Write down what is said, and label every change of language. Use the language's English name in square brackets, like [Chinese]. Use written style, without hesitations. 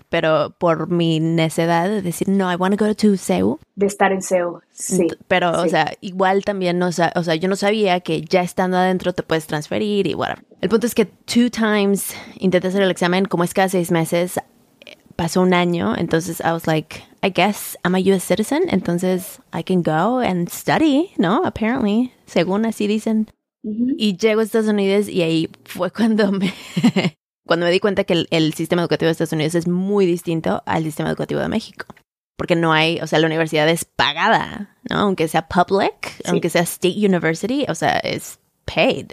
[Spanish] Pero por mi necedad de decir, no, [English] I want to go to CU. [Spanish] De estar en CU, sí. Pero, sí. O sea, igual también, o sea, yo no sabía que ya estando adentro te puedes transferir y whatever. El punto es que 2 times intenté hacer el examen, como es cada 6 meses, pasó un año. [English] Entonces, I was like, I guess I'm a US citizen, entonces I can go and study, ¿no? Apparently, [Spanish] según así dicen. Uh-huh. Y llego a Estados Unidos y ahí fue cuando me... Cuando me di cuenta que el sistema educativo de Estados Unidos es muy distinto al sistema educativo de México. Porque no hay, o sea, la universidad es pagada, ¿no? Aunque sea public, sí. Aunque sea [English] state university, [Spanish] o sea, es paid.